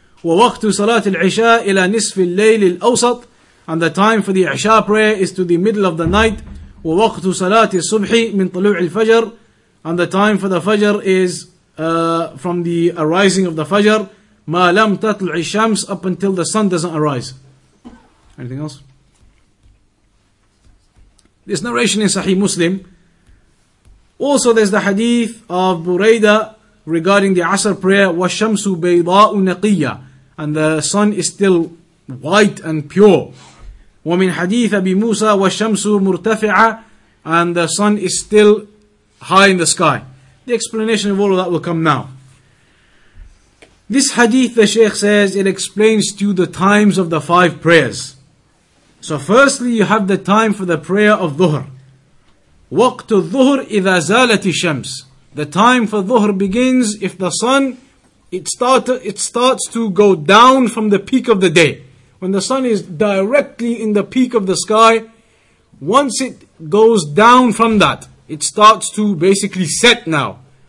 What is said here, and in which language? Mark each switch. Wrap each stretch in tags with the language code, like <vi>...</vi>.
<ar>ووقت صلاة العشاء إلى نصف الليل الأوسط.</ar> <en>And the time for the Isha prayer is to the middle of the night.</en> <ar>ووقت صلاة الصبح من طلوع الفجر.</ar> <en>And the time for the Fajr is from the arising of the Fajr.</en> <ar>ما لم تطلع الشمس,</ar> <en>up until the sun doesn't arise. Anything else? This narration in Sahih Muslim. Also, there's the hadith of Burayda regarding the Asr prayer,</en> <ar>والشمس بيضاء نقية.</ar> <en>And the sun is still white and pure.</en> <ar>ومن حديث أبي موسى والشمس مرتفعة.</ar> <en>And the sun is still high in the sky. The explanation of all of that will come now. This hadith, the Shaykh says, it explains to you the times of the five prayers. So firstly, you have the time for the prayer of dhuhr.</en> <ar>وقت الظهر إذا زالت الشمس.</ar> <en>The time for dhuhr begins if the sun, it starts to go down from the peak of the day. When the sun is directly in the peak of the sky, once it goes down from that, it starts to basically set now.</en>